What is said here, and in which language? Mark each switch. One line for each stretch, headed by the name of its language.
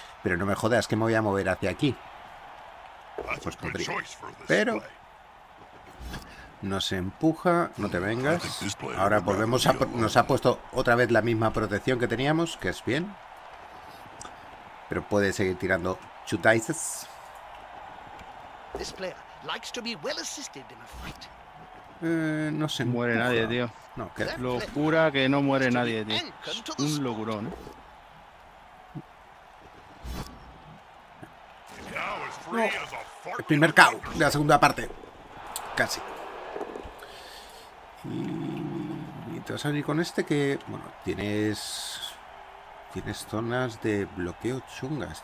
Spanish: Pero no me jodas que me voy a mover hacia aquí. Pues podría. Pero nos empuja, no te vengas. Ahora volvemos a... Nos ha puesto otra vez la misma protección que teníamos, que es bien. Pero puede seguir tirando chutaises.
English: This player likes to be well assisted in a fight.
Spanish: No se muere empuja. Nadie, tío. No, qué locura que no muere nadie, tío. Es un locurón, ¿eh? No. El primer KO de la segunda parte. Casi. Y te vas a venir con este que, bueno, tienes zonas de bloqueo chungas.